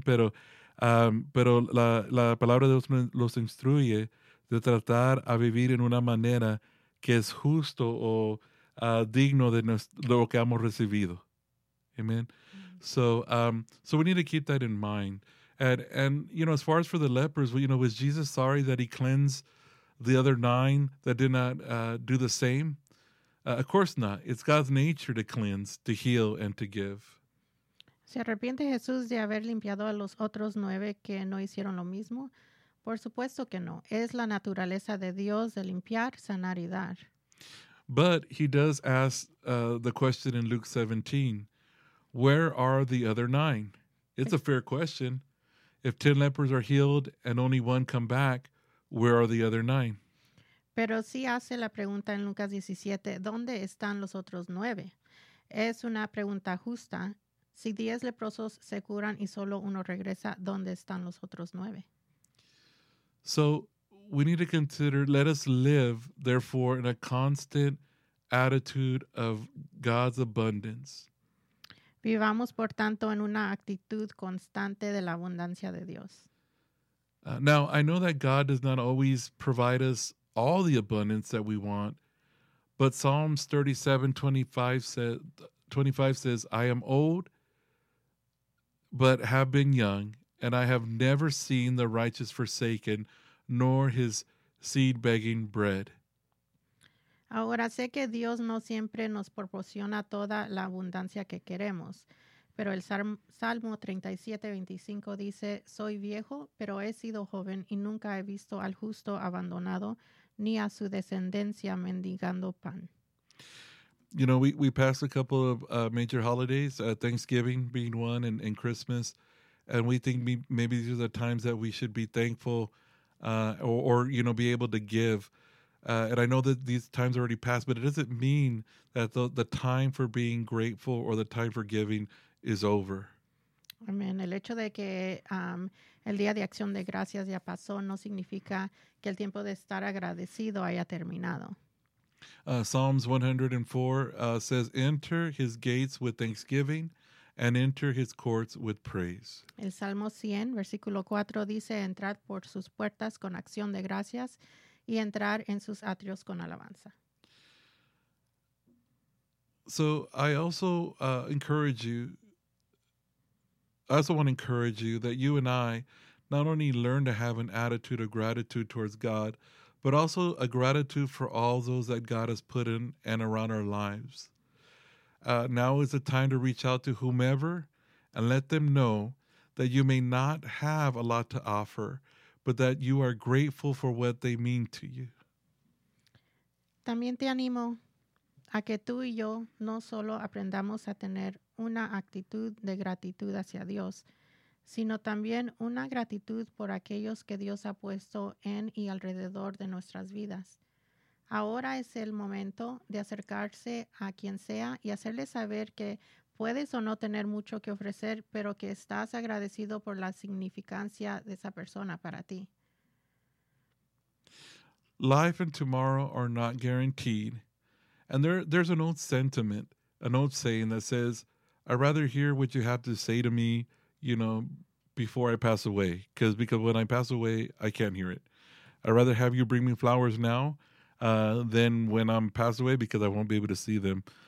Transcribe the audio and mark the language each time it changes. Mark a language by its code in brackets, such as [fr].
[es] Pero la palabra de Dios los instruye de tratar a vivir en una manera que es justo o digno de lo que hemos recibido. [en] Amen. So we need to keep that in mind. And you know, as far as for the lepers, you know, was Jesus sorry that He cleansed the other 9 that did not do the same? Of course not. It's God's nature to cleanse, to heal, and to give. [es] ¿Se arrepiente Jesús de haber limpiado a los otros 9 que no hicieron lo mismo? Por supuesto que no. Es la naturaleza de Dios de limpiar, sanar y dar. [en] But He does ask the question in Luke 17, where are the other 9? It's a fair question. If 10 lepers are healed and only 1 come back, where are the other 9? [es] Pero sí hace la pregunta en Lucas 17, ¿dónde están los otros 9? Es una pregunta justa. Si 10 leprosos se curan y solo uno regresa, ¿dónde están los otros 9? [en] So we need to consider, let us live, therefore, in a constant attitude of God's abundance. [es] Vivamos, por tanto, en una actitud constante de la abundancia de Dios. [en] Now, I know that God does not always provide us all the abundance that we want, but Psalms 37:25 says, I am old, but have been young, and I have never seen the righteous forsaken, nor his seed begging bread. [es] Ahora sé que Dios no siempre nos proporciona toda la abundancia que queremos, pero el Salmo 37:25 dice, soy viejo, pero he sido joven y nunca he visto al justo abandonado ni a su descendencia mendigando pan. [en] You know, we passed a couple of major holidays, Thanksgiving being one and Christmas, and we think maybe these are the times that we should be thankful or you know, be able to give. And I know that these times already passed, but it doesn't mean that the time for being grateful or the time for giving is over. Amen. [es] El hecho de que el Día de Acción de Gracias ya pasó no significa que el tiempo de estar agradecido haya terminado. [en] Psalms 104 says, enter his gates with thanksgiving and enter his courts with praise. [es] El Salmo 100, versículo 4, dice, entrar por sus puertas con acción de gracias y entrar en sus atrios con alabanza. [en] So I also want to encourage you that you and I not only learn to have an attitude of gratitude towards God, but also a gratitude for all those that God has put in and around our lives. Now is the time to reach out to whomever and let them know that you may not have a lot to offer, but that you are grateful for what they mean to you. [es] También te animo a que tú y yo no solo aprendamos a tener una actitud de gratitud hacia Dios, sino también una gratitud por aquellos que Dios ha puesto en y alrededor de nuestras vidas. Ahora es el momento de acercarse a quien sea y hacerle saber que puedes o no tener mucho que ofrecer, pero que estás agradecido por la significancia de esa persona para ti. [en] Life and tomorrow are not guaranteed. And there's an old sentiment, an old saying that says, I'd rather hear what you have to say to me, you know, before I pass away. Because when I pass away, I can't hear it. I'd rather have you bring me flowers now than when I'm passed away, because I won't be able to see them.